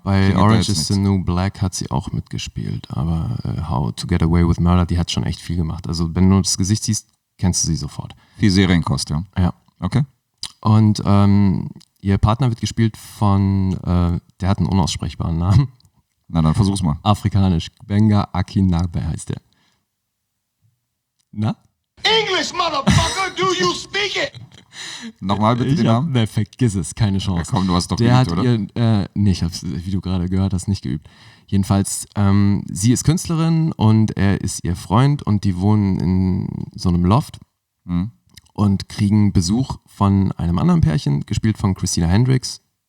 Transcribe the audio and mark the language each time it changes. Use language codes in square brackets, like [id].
[de] Bei Orange is the New Black hat sie auch mitgespielt, aber How to Get Away with Murder, die hat schon echt viel gemacht. Also wenn du das Gesicht siehst, kennst du sie sofort. Die Serienkost, ja. Ja. Okay. Und ihr Partner wird gespielt von, der hat einen unaussprechbaren Namen. Na, dann versuch's mal. Afrikanisch. Gbenga Akinagbe heißt der. Na? [en] English, motherfucker, do you speak it? [de] Nochmal bitte den Namen. Ne, vergiss es, keine Chance. Ja, komm, du hast doch geübt, oder? Ich hab's, wie du gerade gehört hast, nicht geübt. Jedenfalls, sie ist Künstlerin und er ist ihr Freund und die wohnen in so einem Loft. Mhm. Und kriegen Besuch von einem anderen Pärchen, gespielt von Christina Hendricks.